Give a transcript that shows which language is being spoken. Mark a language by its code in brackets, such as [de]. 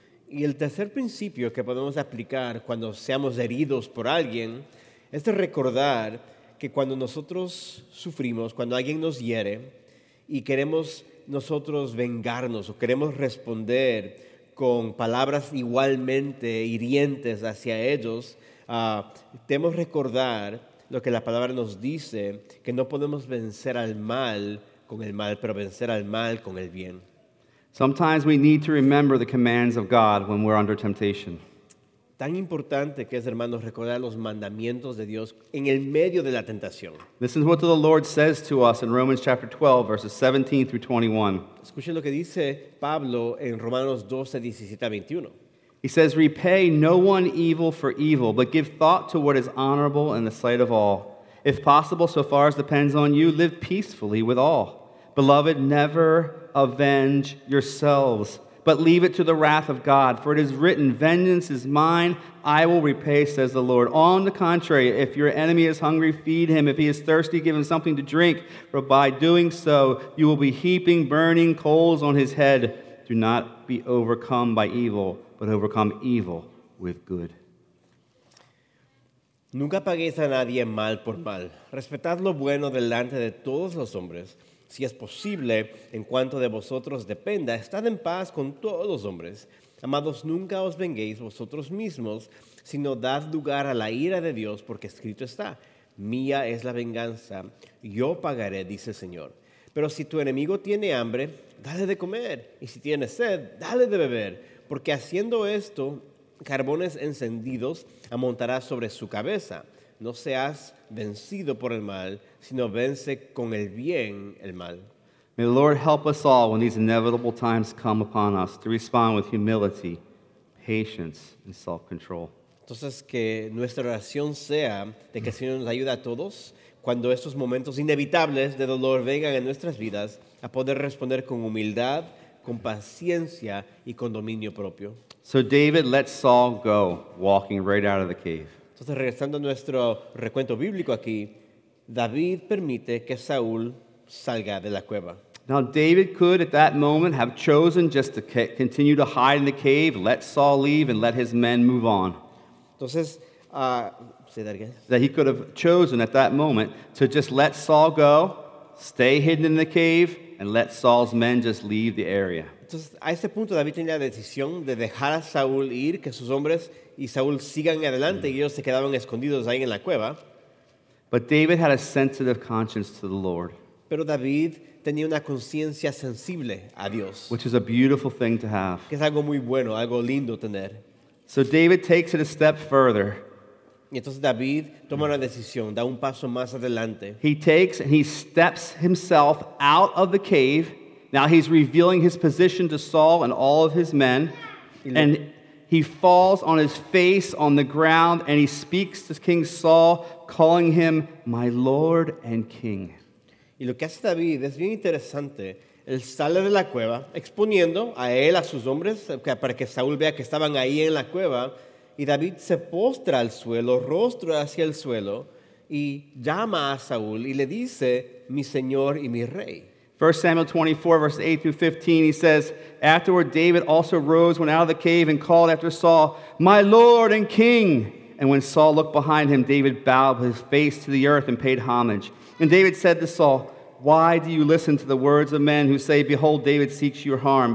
[es] Y el tercer principio que podemos aplicar cuando seamos heridos por alguien es de recordar que cuando nosotros sufrimos, cuando alguien nos hiere y queremos nosotros vengarnos o queremos responder con palabras igualmente hirientes hacia ellos, debemos recordar lo que la palabra nos dice, que no podemos vencer al mal con el mal, pero vencer al mal con el bien. [en] Sometimes we need to remember the commands of God when we're under temptation. [es] Tan importante que es, hermanos, recordar los mandamientos de Dios en el medio de la tentación. [en] This is what the Lord says to us in Romans chapter 12, verses 17 through 21. [es] Escuchen lo que dice Pablo en Romanos 12, 17 a 21. [en] He says, repay no one evil for evil, but give thought to what is honorable in the sight of all. If possible, so far as depends on you, live peacefully with all. Beloved, never avenge yourselves, but leave it to the wrath of God. For it is written, vengeance is mine, I will repay, says the Lord. On the contrary, if your enemy is hungry, feed him. If he is thirsty, give him something to drink. For by doing so, you will be heaping burning coals on his head. Do not be overcome by evil, but overcome evil with good. [es] Nunca paguéis a nadie mal por mal. Respetad lo bueno delante de todos los hombres. Si es posible, en cuanto de vosotros dependa, estad en paz con todos los hombres. Amados, nunca os venguéis vosotros mismos, sino dad lugar a la ira de Dios, porque escrito está, mía es la venganza, yo pagaré, dice el Señor. Pero si tu enemigo tiene hambre, dale de comer, y si tiene sed, dale de beber. Porque haciendo esto, carbones encendidos amontarás sobre su cabeza. No seas vencido por el mal, sino vence con el bien el mal. [en] May the Lord help us all when these inevitable times come upon us to respond with humility, patience, and self-control. [es] Entonces, que nuestra oración sea de que el Señor nos ayude a todos cuando estos momentos inevitables de dolor vengan en nuestras vidas a poder responder con humildad, con paciencia y con dominio propio. [en] So David let Saul go, walking right out of the cave. [es] Entonces, regresando a nuestro recuento bíblico aquí, David permite que Saúl salga de la cueva. [en] Now David could at that moment have chosen just to continue to hide in the cave, let Saul leave and let his men move on. [es] Entonces, [en] say that again. That he could have chosen at that moment to just let Saul go, stay hidden in the cave, and let Saul's men just leave the area. [es] Entonces, a este punto David tenía la decisión de dejar a Saúl ir, que sus hombres y Saúl sigan adelante y ellos se quedaban escondidos ahí en la cueva. [en] But David had a sensitive conscience to the Lord. [es] Pero David tenía una conciencia sensible a Dios. [en] Which is a beautiful thing to have. [es] Que es algo muy bueno, algo lindo tener. [en] So David takes it a step further. [es] Y entonces David toma una decisión, da un paso más adelante. [en] He takes and he steps himself out of the cave. Now he's revealing his position to Saul and all of his men. And he falls on his face on the ground and he speaks to King Saul, calling him my lord and king. [es] Y lo que hace David es bien interesante. Él sale de la cueva exponiendo a él, a sus hombres, para que Saúl vea que estaban ahí en la cueva. Y David se postra al suelo, rostro hacia el suelo, y llama a Saúl y le dice, mi señor y mi rey. [en] 1 Samuel 24, verses 8 through 15, he says, afterward, David also rose, went out of the cave, and called after Saul, my lord and king. And when Saul looked behind him, David bowed with his face to the earth and paid homage. And David said to Saul, why do you listen to the words of men who say, behold, David seeks your harm.